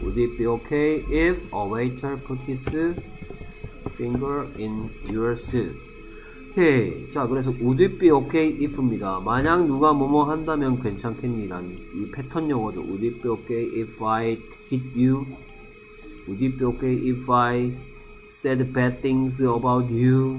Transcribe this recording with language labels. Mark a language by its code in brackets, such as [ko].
[en] Would it be okay if a waiter put his finger in your soup? [ko] 오케이. 자, 그래서 would it be okay if 입니다. 만약 누가 뭐뭐 한다면 괜찮겠니? 라는 이 패턴 용어죠. [en] Would it be okay if I hit you? Would it be okay if I said bad things about you?